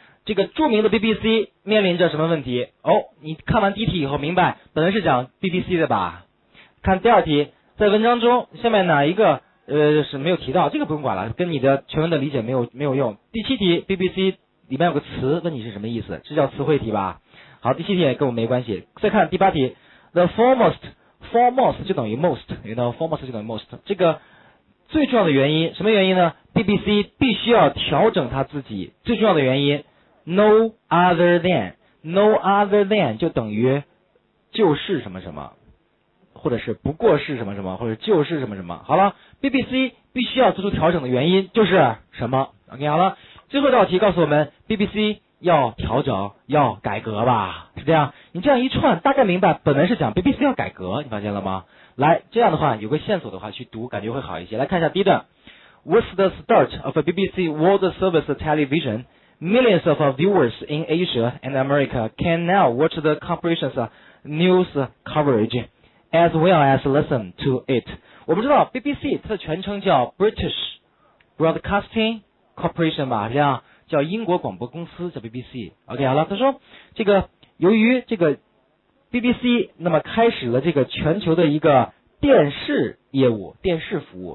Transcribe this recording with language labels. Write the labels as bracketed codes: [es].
[zh] 这个著名的 BBC 面临着什么问题？哦，你看完第一题以后明白，本来是讲 BBC 的吧？看第二题，在文章中下面哪一个是没有提到？这个不用管了，跟你的全文的理解没有用。第七题 ，BBC 里面有个词，问你是什么意思？这叫词汇题吧？好，第七题也跟我没关系。再看第八题 ， [en] the foremost [zh] 就等于 most， [en] you know， [zh] foremost 就等于 most， 这个。最重要的原因，什么原因呢 ？BBC 必须要调整他自己。最重要的原因 ， [en] no other than [zh] 就等于就是什么什么，或者是不过是什么什么，或者就是什么什么。好了 ，BBC 必须要做出调整的原因就是什么 ？OK， 好了，最后一道题告诉我们 ，BBC 要调整，要改革吧？是这样，你这样一串大概明白，本文是讲 BBC 要改革，你发现了吗？来，这样的话有个线索的话去读感觉会好一些。来看一下第一段 [en] What's the start of a BBC World Service Television? Millions of viewers in Asia and America can now watch the comprehensive news coverage as well as listen to it. [zh] 我们知道 BBC 它的全称叫 British Broadcasting Corporation 吧，这样叫英国广播公司，叫 BBC。 OK， 好了，他说这个由于这个BBC 那么开始了这个全球的一个电视业务，电视服务。